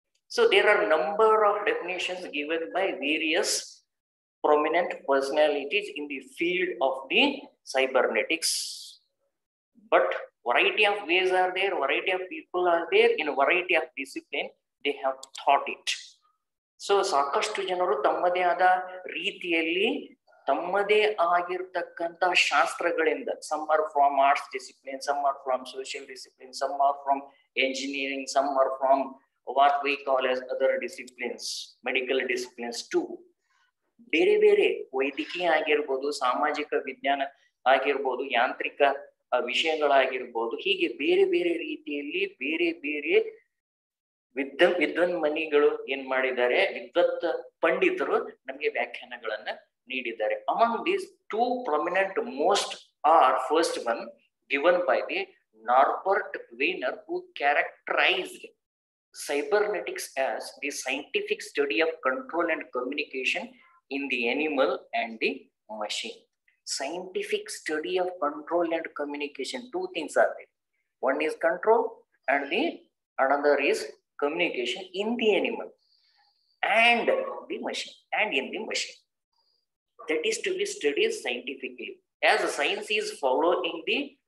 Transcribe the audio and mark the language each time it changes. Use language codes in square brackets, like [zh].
[en] So there are number of definitions given by various prominent personalities in the field of the cybernetics. But variety of ways are there, variety of people are there, in a variety of discipline they have thought it. [kn] So ಸಾಕಷ್ಟು ಜನರು ತಮ್ಮದೇ ಆದ ರೀತಿಯಲ್ಲಿ ತಮ್ಮದೇ ಆಗಿರ್ತಕ್ಕಂತಹ ಶಾಸ್ತ್ರಗಳಿಂದ, [en] some are from arts discipline, some are from social discipline, some are from engineering, some are from what we call as other disciplines, medical disciplines too, [kn] ಬೇರೆ ಬೇರೆ ವೈದ್ಯಕೀಯ ಆಗಿರ್ಬೋದು, ಸಾಮಾಜಿಕ ವಿಜ್ಞಾನ ಆಗಿರ್ಬೋದು, ಯಾಂತ್ರಿಕ ವಿಷಯಗಳಾಗಿರ್ಬೋದು, ಹೀಗೆ ಬೇರೆ ಬೇರೆ ರೀತಿಯಲ್ಲಿ ಬೇರೆ ಬೇರೆ ವಿದ್ವನ್ಮನಿಗಳು ಏನ್ ಮಾಡಿದ್ದಾರೆ, ವಿದ್ವತ್ ಪಂಡಿತರು ನಮಗೆ ವ್ಯಾಖ್ಯಾನಗಳನ್ನ ನೀಡಿದ್ದಾರೆ. [en] Among these two prominent most are first one given by the Norbert Wiener, who characterized cybernetics as the scientific study of control and communication in the animal and the machine. Scientific study of control and communication, two things are they, one is control and the another is communication in the animal and the machine, and in the machine that is to be studied scientifically. As science is following the